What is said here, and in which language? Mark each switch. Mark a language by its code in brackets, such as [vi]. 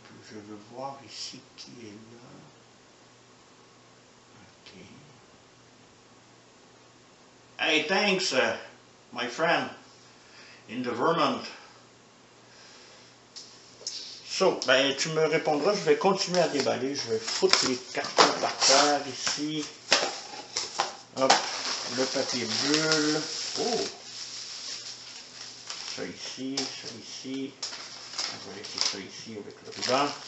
[fr] Je veux voir ici qui est là. [en] Hey, thanks, my friend, in the Vermont. [fr] So, ben, tu me répondras, je vais continuer à déballer, je vais foutre les cartons par terre ici. Hop, le papier bulle. Oh! Ça ici, ça ici. On va laisser ça ici avec le ruban.